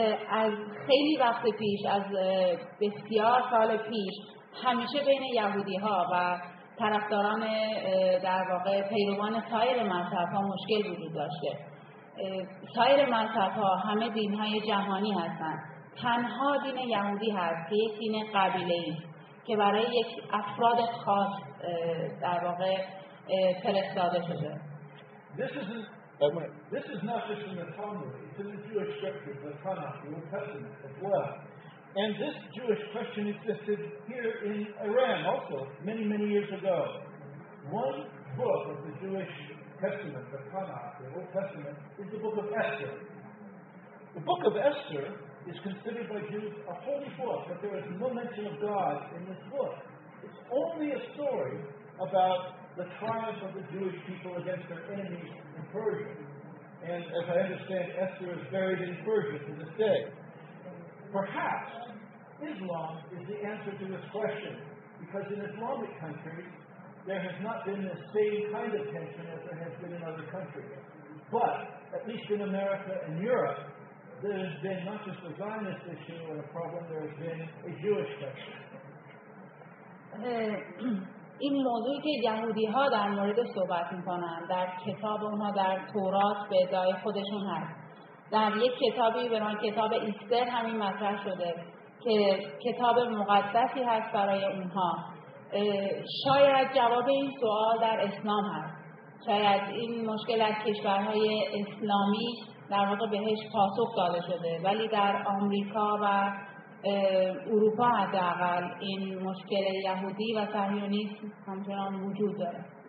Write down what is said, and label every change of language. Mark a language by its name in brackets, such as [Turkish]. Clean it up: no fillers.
[Persian] از خیلی وقت پیش از بسیار سال پیش همیشه بین یهودی‌ها و طرفداران در واقع پیروان سایر مذهب‌ها مشکل وجود داشته. سایر مذهب‌ها همه دین‌های جهانی هستند. تنها دین یهودی هست که یک دین قبیله‌ای است که برای یک افراد خاص در واقع فرستاده شده. [English] This is not just in the Talmud, it's in the Jewish scriptures, the Tanakh, the Old Testament as well. And this Jewish question existed here in Iran also many, many years ago. One book of the Jewish Testament, the Tanakh, the Old Testament, is the book of Esther. The book of Esther is considered by Jews a holy book, but there is no mention of God in this book. It's only a story about the triumph of the Jewish people against their enemies in Persia. And as I understand, Esther is buried in Persia to this day. Perhaps Islam is the answer to this question, because in Islamic countries, there has not been the same kind of tension as there has been in other countries. But at least in America and Europe, there has been not just a Zionist issue and a problem, there has been a Jewish question. [Persian] این موضوعی که یهودی ها در مورد صحبت میکنن در کتاب اونها در تورات به ادعای خودشون هست. در یک کتابی به نام کتاب ایستر همین مطرح شده که کتاب مقدسی هست برای اونها. شاید جواب این سوال در اسلام هست. شاید این مشکل از کشورهای اسلامی در واقع بهش پاسخ داده شده، ولی در آمریکا و اروپا حداقل این مشکل یهودی و صهیونیسم همچنان وجود داره.